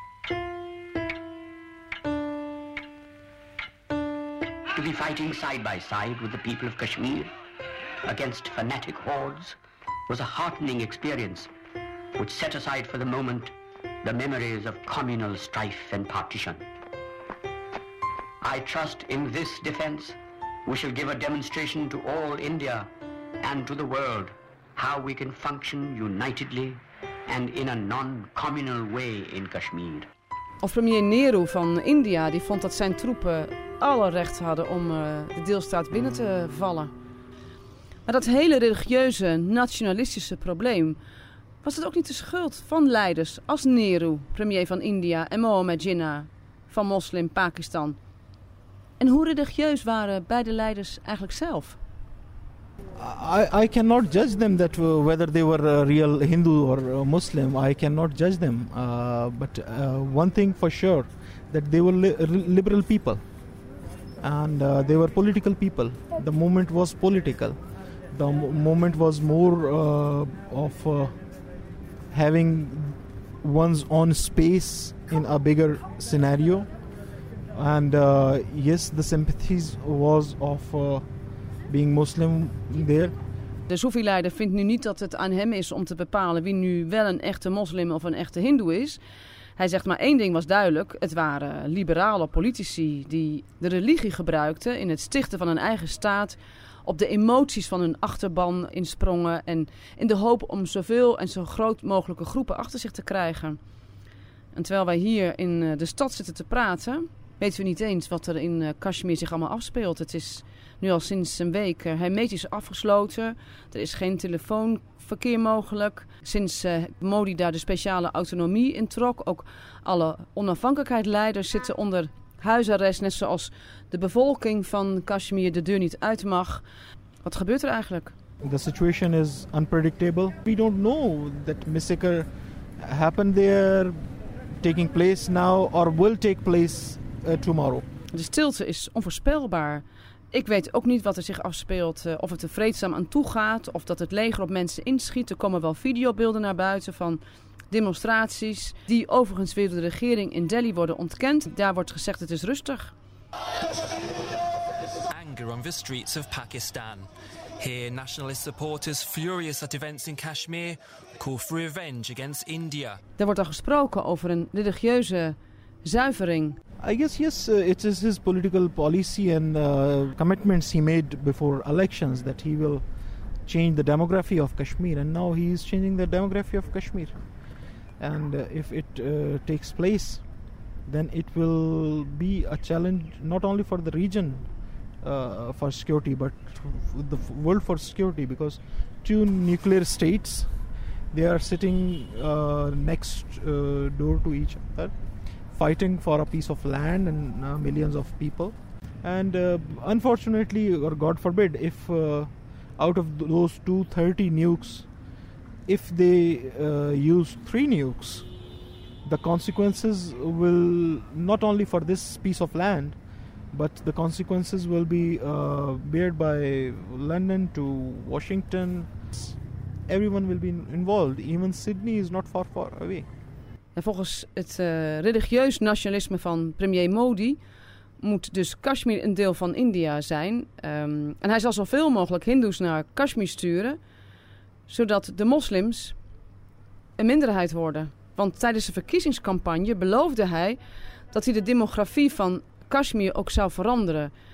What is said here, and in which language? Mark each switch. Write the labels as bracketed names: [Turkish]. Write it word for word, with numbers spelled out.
[English] To be fighting side by side with the people of Kashmir against fanatic hordes was a heartening experience which set aside for the moment the memories of communal strife and partition. I trust in this defense we shall give a demonstration to all India and to the world how we can function unitedly and in a non-communal way in Kashmir. [Dutch] Of premier Nehru van India, die vond dat zijn troepen alle recht hadden om uh, de deelstaat binnen te vallen. Maar dat hele religieuze, nationalistische probleem, was het ook niet de schuld van leiders als Nehru, premier van India, en Mohammed Jinnah van Moslim Pakistan? En hoe religieus waren beide leiders eigenlijk zelf? [English] I, I cannot judge them that whether they were a real Hindu or a Muslim. I cannot judge them. Uh, but uh, one thing for sure, that they were li- liberal people. And uh, they were political people. The movement was political. The m- movement was more uh, of uh, having one's own space in a bigger scenario. And uh, yes, the sympathies was of uh, being Muslim there. [Dutch] De Soefi-leider vindt nu niet dat het aan hem is om te bepalen wie nu wel een echte moslim of een echte hindoe is. Hij zegt maar één ding was duidelijk. Het waren liberale politici die de religie gebruikten in het stichten van een eigen staat, op de emoties van hun achterban insprongen en in de hoop om zoveel en zo groot mogelijke groepen achter zich te krijgen. En terwijl wij hier in de stad zitten te praten, weten we niet eens wat er in Kashmir zich allemaal afspeelt. Het is nu al sinds een week hermetisch afgesloten. Er is geen telefoonverkeer mogelijk. Sinds Modi daar de speciale autonomie in trok. Ook alle onafhankelijkheidsleiders zitten onder huisarrest. Net zoals de bevolking van Kashmir de deur niet uit mag. Wat gebeurt er eigenlijk? [English] The situation is unpredictable. We don't know that massacre happened there, taking place now or will take place Uh, tomorrow. [Dutch] De stilte is onvoorspelbaar. Ik weet ook niet wat er zich afspeelt, uh, of het er vreedzaam aan toe gaat, of dat het leger op mensen inschiet. Er komen wel videobeelden naar buiten van demonstraties, die overigens weer door de regering in Delhi worden ontkend. Daar wordt gezegd het is rustig. [English] Anger on the streets of Pakistan. Here, nationalist supporters furious at events in Kashmir call for revenge against India. [Dutch] Er wordt al gesproken over een religieuze zuivering. [English] I guess yes, uh, it is his political policy and uh, commitments he made before elections that he will change the demography of Kashmir, and now he is changing the demography of Kashmir. And uh, if it uh, takes place, then it will be a challenge not only for the region uh, for security, but the world for security, because two nuclear states, they are sitting uh, next uh, door to each other, fighting for a piece of land and uh, millions of people. And uh, unfortunately, or God forbid, if uh, out of those two hundred thirty nukes, if they uh, use three nukes, the consequences will not only for this piece of land, but the consequences will be uh, borne by London to Washington. Everyone will be involved. Even Sydney is not far, far away. [Dutch] En volgens het uh, religieus nationalisme van premier Modi moet dus Kashmir een deel van India zijn. Um, en hij zal zoveel mogelijk hindoes naar Kashmir sturen, zodat de moslims een minderheid worden. Want tijdens de verkiezingscampagne beloofde hij dat hij de demografie van Kashmir ook zou veranderen.